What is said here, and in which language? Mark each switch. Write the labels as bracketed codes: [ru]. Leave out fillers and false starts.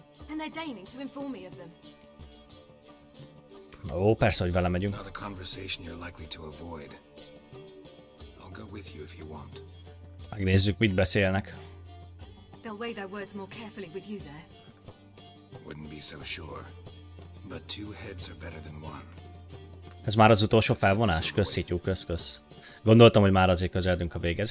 [en] And they're deigning to inform me of them. [hu] Ó, persze, hogy vele megyünk. [en] Not a conversation you're likely to avoid. I'll go with you if you want. [hu] Megnézzük, mit beszélnek. [en] They'll weigh their words more carefully with you there. Wouldn't be so sure. But two heads are better than one. [hu] Ez már az utolsó felvonás? Kösz, szítjú, kösz. Gondoltam, hogy már azért közeledünk a véghez.